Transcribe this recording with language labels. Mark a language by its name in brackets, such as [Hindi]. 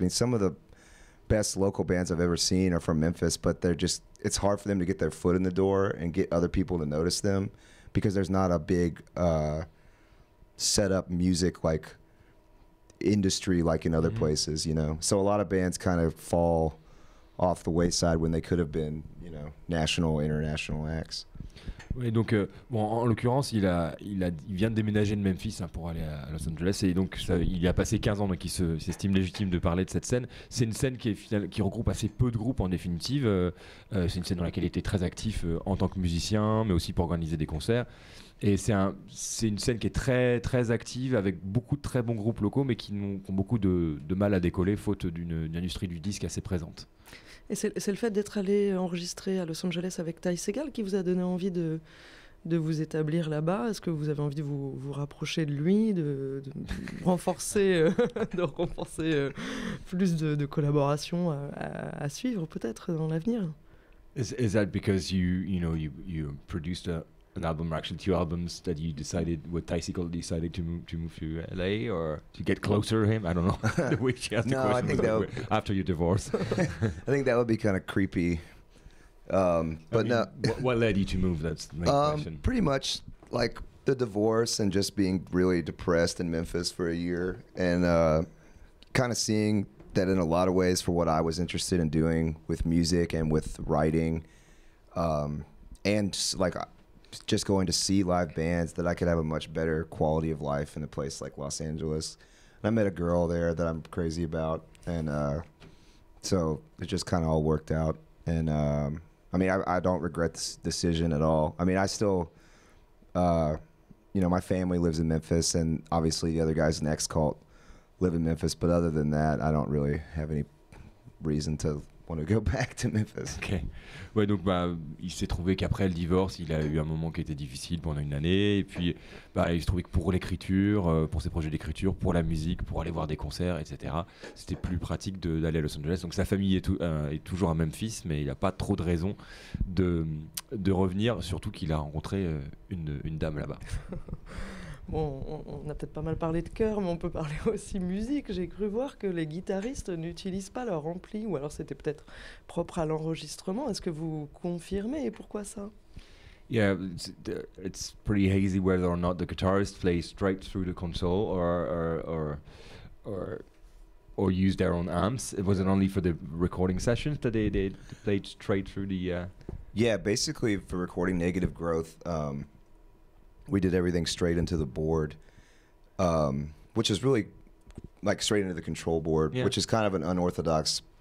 [English] I mean, some of the best local bands I've ever seen are from Memphis, but it's hard for them to get their foot in the door and get other people to notice them because there's not a big set up music like industry like in other places, you know? So a lot of bands kind of fall off the wayside when they could have been, you know, national, international acts. [French] Oui, donc, bon, en l'occurrence, il vient de déménager de Memphis hein, pour aller à Los Angeles, et donc ça, il y a passé 15 ans, donc il s'estime légitime de parler de cette scène. C'est une scène qui regroupe assez peu de groupes en définitive. C'est une scène dans laquelle il était très actif en tant que musicien, mais aussi pour organiser des concerts. Et c'est une scène qui est très très active avec beaucoup de très bons groupes locaux, mais qui ont beaucoup de mal à décoller faute d'une industrie du disque assez présente. Et c'est le fait d'être allé enregistrer à Los Angeles avec Ty Segall qui vous a donné envie de vous établir là-bas. Est-ce que vous avez envie de vous rapprocher de lui, de renforcer, de renforcer plus de collaboration à suivre peut-être dans l'avenir? [English] Is that because you produced an album, or actually two albums, that you decided, what Ty Segall decided to move to LA or to get closer to him? I don't know. The way she asked no, the question. I think that would, after your divorce. I think that would be kind of creepy. What led you to move? That's the main question. Pretty much like the divorce and just being really depressed in Memphis for a year and kind of seeing that in a lot of ways for what I was interested in doing with music and with writing and just, like, just going to see live bands, that I could have a much better quality of life in a place like Los Angeles. And I met a girl there that I'm crazy about, and so it just kind of all worked out. And I mean, I don't regret this decision at all. I mean, I still, you know, my family lives in Memphis, and obviously the other guys in X-Cult live in Memphis, but other than that, I don't really have any reason to want to go back to Memphis. Okay. [French] Ouais, donc bah, il s'est trouvé qu'après le divorce, il a eu un moment qui était difficile pendant une année. Et puis, bah, il se trouvait que pour l'écriture, pour ses projets d'écriture, pour la musique, pour aller voir des concerts, etc., c'était plus pratique d'aller à Los Angeles. Donc sa famille est toujours à Memphis, mais il n'a pas trop de raisons de revenir, surtout qu'il a rencontré une dame là-bas. Bon, on a peut-être pas mal parlé de cœur, mais on peut parler aussi musique. J'ai cru voir que les guitaristes n'utilisent pas leur ampli, ou alors c'était peut-être propre à l'enregistrement. Est-ce que vous confirmez et pourquoi ça? [English] Yeah, it's pretty hazy whether or not the guitarist plays straight through the console or or use their own amps? Was it only for the recording sessions that they played straight through the... Yeah, basically for recording Negative Growth, we did everything straight into the board, which is really like straight into the control board, yeah. Which is kind of an unorthodox style.